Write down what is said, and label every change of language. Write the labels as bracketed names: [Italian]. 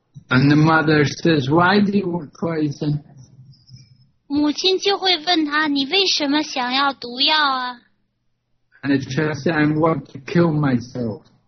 [English] And the mother says, "Why do you want poison?" [Chinese] 母亲就会问他：“你为什么想要毒药啊？” [English] And the child said, "I want to kill myself."